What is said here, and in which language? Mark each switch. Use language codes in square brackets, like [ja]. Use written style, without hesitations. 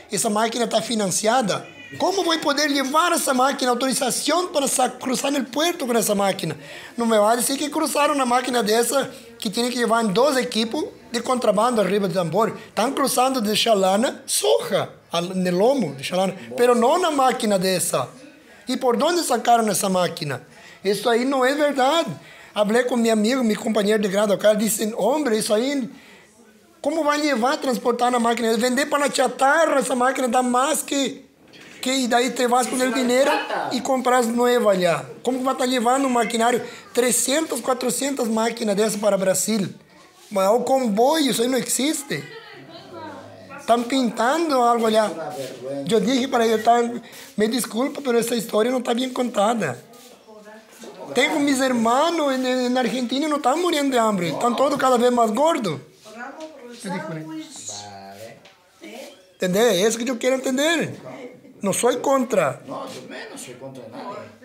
[es] Esa máquina está financiada. ¿Cómo voy a poder llevar esa máquina, autorización para cruzar en el puerto con esa máquina? No me va a decir que cruzaron una máquina de esa que tiene que llevar en dos equipos de contrabando arriba de tambor. Están cruzando de Xalana soja en el lomo de Xalana, pero no una máquina de esa. ¿Y por dónde sacaron esa máquina? [pt] Isso aí não é verdade. Hablé com meu amigo, meu companheiro de grado, o cara disse, hombre, isso aí, como vai levar, transportar na máquina? Vender para a chatarra, essa máquina dá mais que e daí [es] te vas [pt] com o dinheiro e compras nova ali. Como vai estar levando um maquinário, 300, 400 máquinas dessa para Brasil? Mas o comboio, isso aí não existe. Estão pintando algo ali. Eu disse para ele, me desculpa, mas essa história não está bem contada. [es] Tengo mis hermanos en Argentina y no están muriendo de hambre. Están todos cada vez más gordos. Vale. ¿Entendés? Es eso que yo quiero entender. No soy contra. No, yo menos soy contra de nadie.